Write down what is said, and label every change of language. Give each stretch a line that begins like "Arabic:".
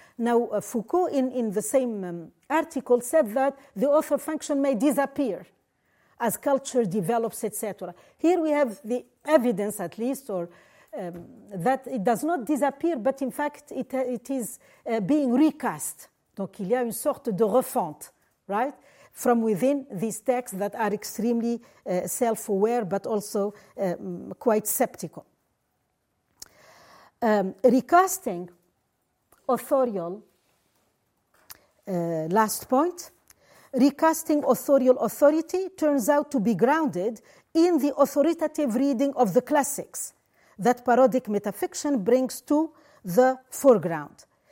English: Now, Foucault, in the same article, said that the author function may disappear as culture develops, etc. Here we have the evidence, at least, that it does not disappear, but in fact it is being recast.
French: Donc il y a une sorte de refonte, right?
English: From within these texts that are extremely self-aware, but also quite skeptical. Recasting authorial, last point, recasting authorial authority turns out to be grounded in the authoritative reading of the classics that parodic metafiction brings to the foreground.